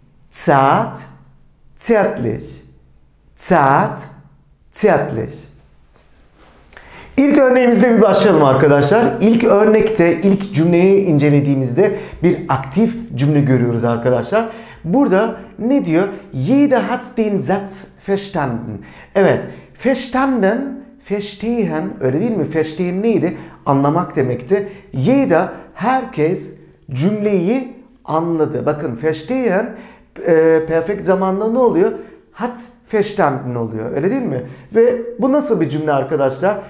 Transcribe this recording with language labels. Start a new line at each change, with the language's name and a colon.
German: Zart, zärtlich. Zart, zärtlich.
Turkish: İlk örneğimizle bir başlayalım arkadaşlar. İlk örnekte, ilk cümleyi incelediğimizde bir aktif cümle görüyoruz arkadaşlar. Burada ne diyor?
German: Jeder hat den Satz verstanden.
Turkish: Evet, verstanden, verstehen, öyle değil mi? Verstehen neydi? Anlamak demekti. Jeder, herkes cümleyi anladı. Bakın, verstehen, perfect zamanda ne oluyor?
German: Hat verstanden
Turkish: oluyor. Öyle değil mi? Ve bu nasıl bir cümle arkadaşlar?